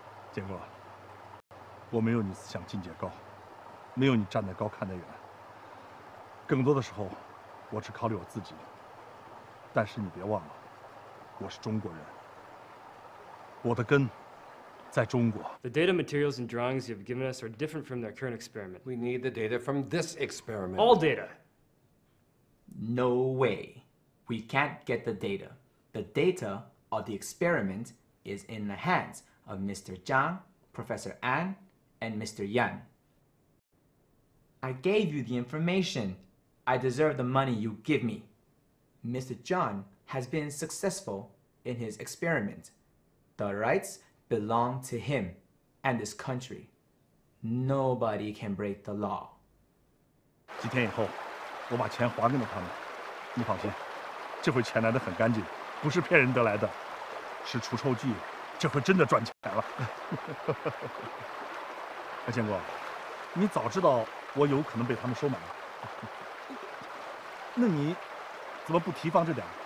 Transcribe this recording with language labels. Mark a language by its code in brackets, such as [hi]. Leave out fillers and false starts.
[zh] 建国，我没有你思想境界高，没有你站得高看得远。更多的时候，我只考虑我自己。但是你别忘了，我是中国人，我的根在中国。 [en] The data, materials, and drawings you have given us are different from their current experiment. We need the data from this experiment. All data. No way. We can't get the data. The data of the experiment is in the hands of Mr. Zhang, Professor An, and Mr. Yan. I gave you the information. I deserve the money you give me. Mr. Zhang has been successful in his experiment. The rights belong to him and this country. Nobody can break the law. [zh] 几天以后，我把钱还给了他们。你放心，这回钱来得很干净，不是骗人得来的，是除臭剂，这回真的赚钱了。阿建国，你早知道我有可能被他们收买了，那你怎么不提防着点？